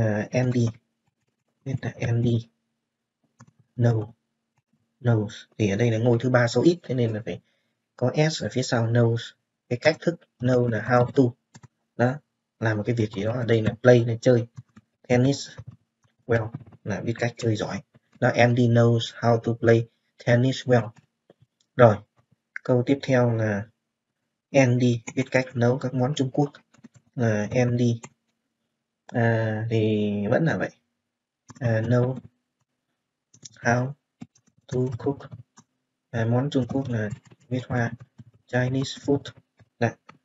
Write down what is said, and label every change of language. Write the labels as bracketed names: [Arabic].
[Vietnamese] Andy, biết là Andy, knows, thì ở đây là ngôi thứ ba số ít, thế nên là phải có S ở phía sau, knows, cái cách thức, know là [English] how to, [Vietnamese] đó, làm một cái việc gì đó, ở đây là play, là chơi, tennis, well, là biết cách chơi giỏi. [English] Đó, Andy knows how to play tennis well. [Vietnamese] Rồi, câu tiếp theo là Andy biết cách nấu các món Trung Quốc. Là Andy thì vẫn là vậy. [English] Know how to cook. [Vietnamese] Món Trung Quốc là viết hoa Chinese food. Đã.